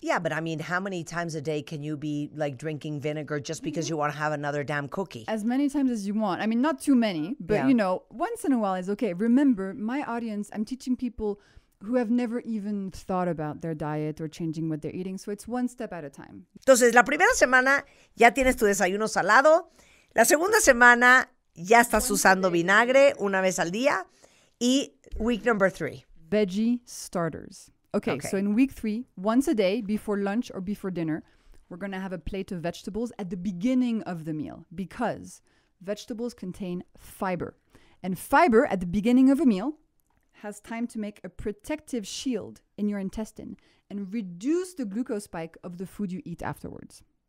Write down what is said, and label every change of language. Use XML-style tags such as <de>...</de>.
<en>Yeah, but I mean, how many times a day can you be like drinking vinegar just because you want to have another damn cookie? As many times as you want. I mean, not too many, but you know, once in a while is okay. Remember, my audience, I'm teaching people who have never even thought about their diet or changing what they're eating, so it's one step at a time.</en> <es>Entonces, la primera semana ya tienes tu desayuno salado, la segunda semana ya estás usando vinagre una vez al día.</es> <en>Eat week number three. Veggie starters. Okay, so in week three, once a day before lunch or before dinner, we're going to have a plate of vegetables at the beginning of the meal because vegetables contain fiber. And fiber at the beginning of a meal has time to make a protective shield in your intestine and reduce the glucose spike of the food you eat afterwards.</en>